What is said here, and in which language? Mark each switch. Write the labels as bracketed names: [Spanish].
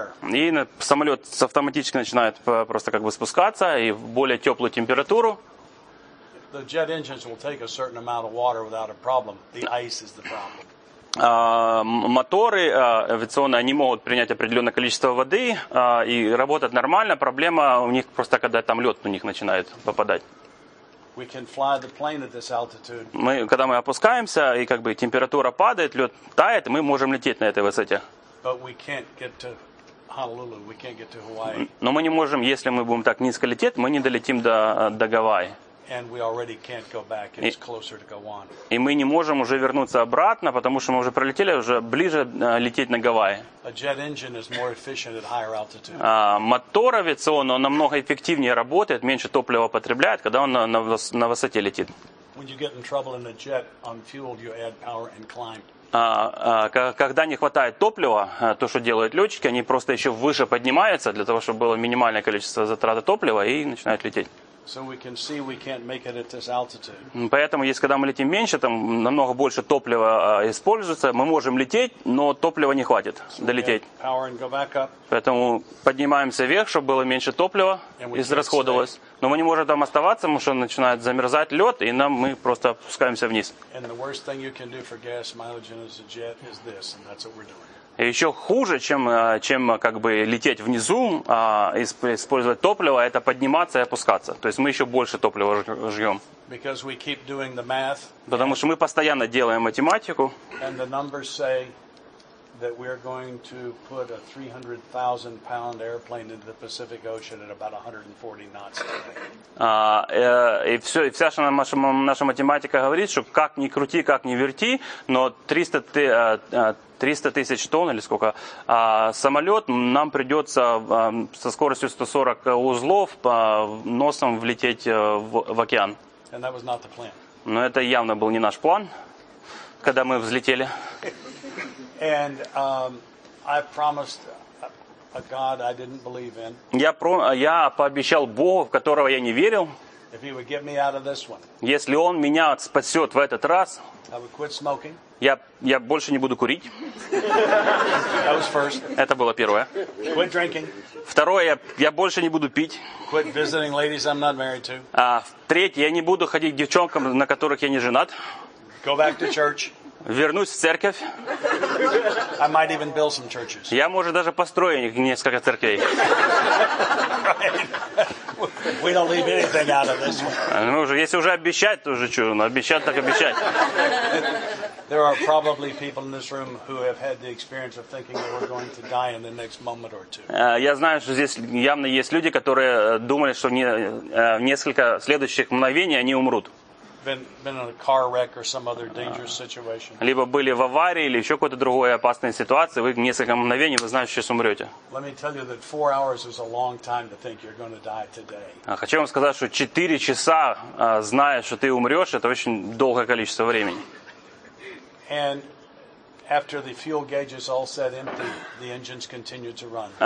[Russian] И самолет автоматически начинает просто как бы спускаться и в более теплую температуру. [English] The jet engines will take a certain amount of water without a problem. The ice is the problem. [Russian] Моторы авиационные, они могут принять определенное количество воды и работать нормально. Проблема у них просто, когда там лед у них начинает попадать. [English] We can fly the plane at this altitude. [Russian] Мы, когда мы опускаемся, и как бы температура падает, лед тает, мы можем лететь на этой высоте. [English] But we can't get to Honolulu, we can't get to Hawaii. [Russian] Но мы не можем, если мы будем так низко лететь, мы не долетим до Гавайи. [English] And we already can't go back. It's closer to Guam. [Russian] И мы не можем уже вернуться обратно, потому что мы уже пролетели, уже ближе лететь на Гавайи. [English] A jet engine is more efficient at higher altitude. [Russian] Мотор авиационный, он намного эффективнее работает, меньше топлива потребляет, когда он на высоте летит. [English] When you get in trouble in a jet, unfueled, you add power and climb. [Russian] Когда не хватает топлива, то, что делают летчики, они просто еще выше поднимаются для того, чтобы было минимальное количество затраты топлива, и начинают лететь. [English] So we can see we can't make it at this altitude. [Russian] Поэтому, если когда мы летим меньше, там намного больше топлива используется, мы можем лететь, но топлива не хватит долететь. [English] So power and go back up. [Russian] Поэтому поднимаемся вверх, чтобы было меньше топлива израсходовалось. Но мы не можем там оставаться, потому что начинает замерзать лед, и нам мы просто опускаемся вниз. [English] And the worst thing you can do for gas mileage in a jet is this, and that's what we're doing. [Russian] И еще хуже, чем как бы лететь внизу, использовать топливо, это подниматься и опускаться. То есть мы еще больше топлива жжем. [English] Because we keep doing the math. [Russian] Потому что мы постоянно делаем математику. [English] And the numbers say that we're going to put a 300,000-pound airplane into the Pacific Ocean at about 140 knots today. [Russian] И вся наша математика говорит, что как ни крути, как ни верти, но 300 тысяч тонн или сколько, самолет нам придется со скоростью 140 узлов по носом влететь в океан. [English] And that was not the plan. [Russian] Но это явно был не наш план, когда мы взлетели. [English] And I promised a God I didn't believe in. [Russian] Я пообещал Богу, в которого я не верил. [English] If he would get me out of this one. [Russian] Если он меня спасет в этот раз. [English] I would quit smoking. [Russian] Я больше не буду курить. [English] That was first. [Russian] Это было первое. [English] Quit drinking. [Russian] Второе, я больше не буду пить. [English] Quit visiting ladies I'm not married to. [Russian] Третье, я не буду ходить к девчонкам, на которых я не женат. [English] Go back to church. [Russian] Вернусь в церковь. [English] I might even build some churches. [Russian] Я, может, даже построю несколько церквей. [English] Right. We don't leave anything out of this one. [Russian] Ну, если уже обещать, то уже чудо, но обещать так обещать. [English] There are probably people in this room who have had the experience of thinking that we're going to die in the next moment or two. [Russian] Я знаю, что здесь явно есть люди, которые думали, что в несколько следующих мгновений они умрут. [English] Been in a car wreck or some other dangerous situation. [Russian] Либо были в аварии или еще какой-то другой опасной ситуации, вы в несколько мгновений вы знаете, что умрете. [English] Let me tell you that 4 hours is a long time to think you're going to die today. [Russian] Хочу вам сказать, что 4 часа, зная, что ты умрешь, это очень долгое количество времени. [English] And after the fuel gauges all set empty, the engines continued to run.